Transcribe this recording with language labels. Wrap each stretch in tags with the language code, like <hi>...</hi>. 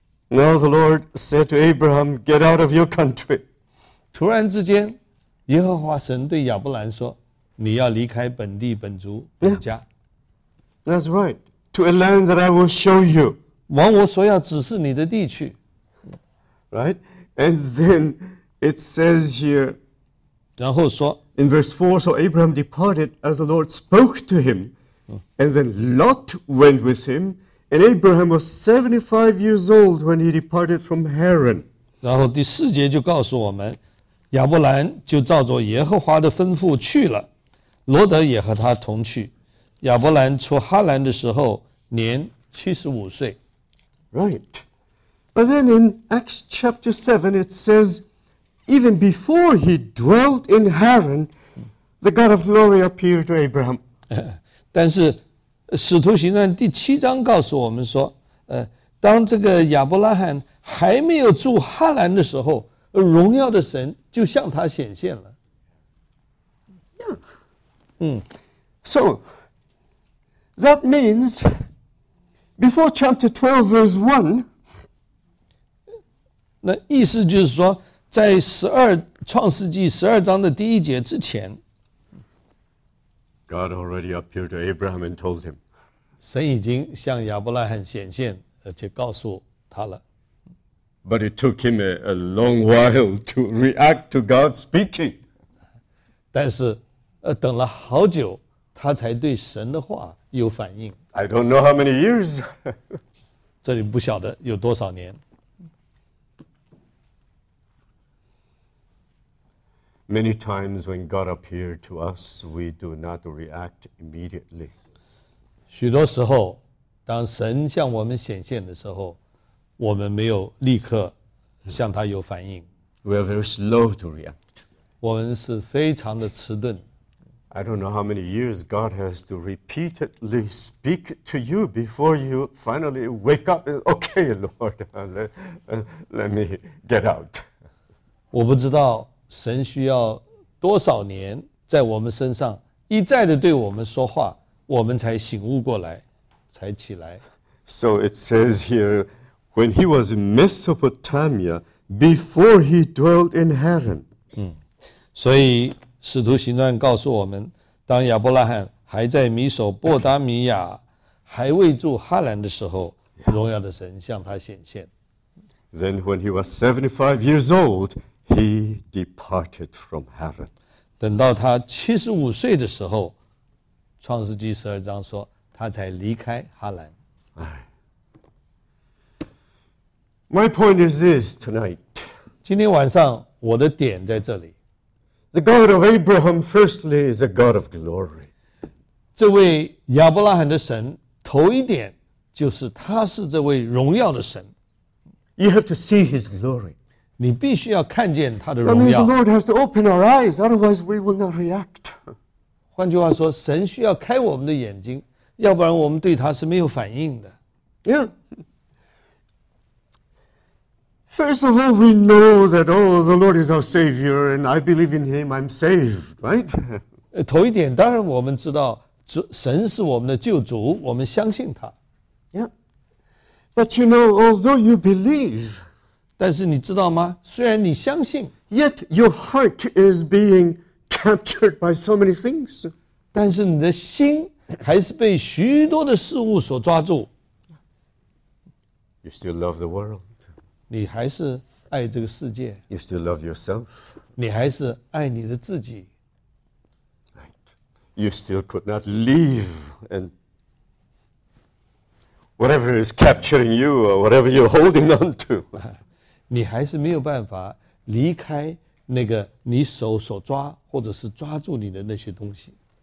<en>Now the Lord said to Abraham, "Get out of your country."</en> <zh>突然之间，耶和华神对亚伯兰说：“你要离开本地、本族、本家。”</zh> <en>That's right. To a land that I will show you.</en> <zh>往我所要指示你的地去。</zh> <en>Right, and then it says here.</en> <zh>然后说</zh> <en>，In verse 4, so Abraham departed as the Lord spoke to him, and then Lot went with him. And Abraham was 75 years old when he departed from Haran.</en> <zh>然后第四节就告诉我们，亚伯兰就照着耶和华的吩咐去了，罗德也和他同去，亚伯兰出哈兰的时候年75岁。</zh> <en>Right. But then in Acts chapter 7, it says, even before he dwelt in Haran, the God of glory appeared to Abraham.</en> <zh>但是使徒行传第七章告诉我们说，当这个亚伯拉罕还没有住哈兰的时候，荣耀的神就向他显现了。</zh> <en>Yeah. So, that means, before chapter 12, verse 1,</en> <zh>那意思就是说，在创世纪十二章的第一节之前，</zh> <en>God already appeared to Abraham and told him.</en> <zh>神已经向亚伯拉罕显现，而且告诉他了。</zh> <en>But it took him a long while to react to God speaking.</en> <zh>但是，等了好久，他才对神的话有反应。</zh> <en>I don't know how many years.</en> <zh>这里不晓得有多少年。</zh> <en>Many times when God appeared to us, we do not react immediately.</en> <zh>许多时候，当神向我们显现的时候，我们没有立刻向他有反应。</zh> <en>We are very slow to react.</en> <zh>我们是非常的迟钝。</zh> <en>I don't know how many years God has to repeatedly speak to you before you finally wake up and, okay, Lord, let me get out.</en> <zh>我不知道神需要多少年在我们身上一再的对我们说话，我们才醒悟过来，才起来。</zh> <en>So it says here,When he was in Mesopotamia, before he dwelt in Haran.</en> <zh>所以使徒行传告诉我们，当亚伯拉罕还在米索波达米亚，还未住哈兰的时候，荣耀的神向他显现。</zh> <en>Then when he was 75 years old, he departed from Haran.</en> <zh>等到他75岁的时候，创世纪十二章说，他才离开哈兰。</zh> <en>My point is this tonight.</en> <zh>今天晚上我的点在这里。</zh> <en>The God of Abraham firstly is a God of glory.</en> <zh>这位亚伯拉罕的神头一点就是他是这位荣耀的神。</zh> <en>You have to see his glory.</en> <zh>你必须要看见他的荣耀。</zh> <en>That means the Lord has to open our eyes, otherwise we will not react.</en> <zh>换句话说，神需要开我们的眼睛，要不然我们对他是没有反应的。</zh> <en>Yeah. First of all, we know that, oh, the Lord is our Savior, and I believe in Him, I'm saved, right?</en> <zh>头一点，当然我们知道神是我们的救主，我们相信他。</zh> <en>Yeah. But you know, although you believe,</en> <zh>但是你知道吗？虽然你相信，</zh> <en>yet your heart is being captured by so many things.</en> <zh>但是你的心还是被许多的事物所抓住。</zh> <en>You still love the world.</en> <zh>你还是爱这个世界。</zh> <en>You still love yourself.</en> <zh>你还是爱你的自己。</zh> <en>Right. You still could not leave, and whatever is capturing you or whatever you're holding on to.</en> <zh>你还是没有办法离开那个你手所抓或者是抓住你的那些东西。</zh>